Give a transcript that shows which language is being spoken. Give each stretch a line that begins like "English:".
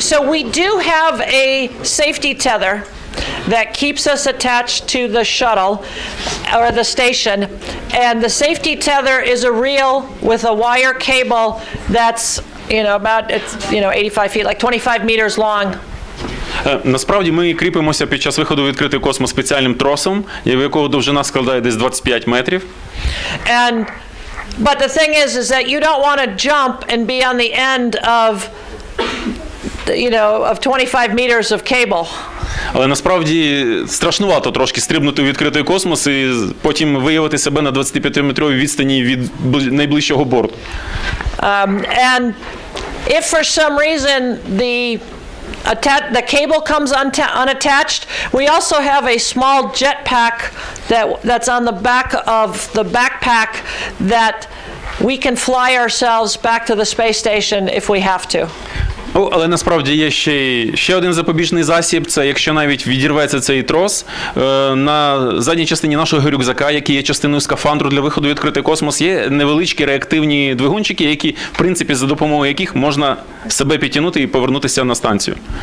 English: So we do have a safety tether that keeps us attached to the shuttle or the station, and the safety tether is a reel with a wire cable that's, you know, about, it's, you know, 85 feet, like 25 meters long.
Ukrainian: Насправді ми кріпимося під час виходу в відкритий космос спеціальним тросом, якого довжина складає десь 25 метрів.
English: But the thing is that you don't want to jump and be on the end of, you know, of 25 meters of cable.
Ukrainian: Але насправді страшнувато трошки стрибнути у відкритий космос і потім виявити себе на 25-метровій відстані від найближчого борту.
English: And if for some reason the the cable comes unattached. We also have a small jetpack that's on the back of the backpack that we can fly ourselves back to the space station if we have to.
Ukrainian: Але насправді є ще один запобіжний засіб, це якщо навіть відірветься цей трос, на задній частині нашого рюкзака, який є частиною скафандру для виходу в відкритий космос, є невеличкі реактивні двигунчики, які, в принципі, за допомогою яких можна себе підтягнути і повернутися на станцію.